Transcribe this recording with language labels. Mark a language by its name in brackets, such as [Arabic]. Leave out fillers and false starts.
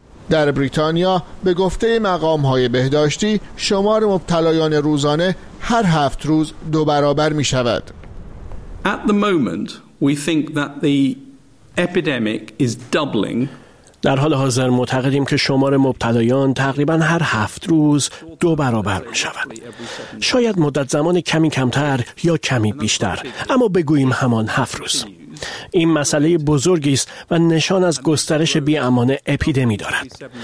[Persian] در بریتانیا به گفته مقام‌های بهداشتی شمار مبتلایان روزانه هر هفت روز دو برابر می‌شود. [English] At the moment we think that the epidemic is doubling. [Persian] در حال حاضر معتقدیم که شمار مبتلایان تقریبا هر هفت روز دو برابر می شود. شاید مدت زمان کمی کمتر یا کمی بیشتر، اما بگوییم همان هفت روز. این مسئله بزرگی است و نشان از گسترش بی امان اپیدمی دارد.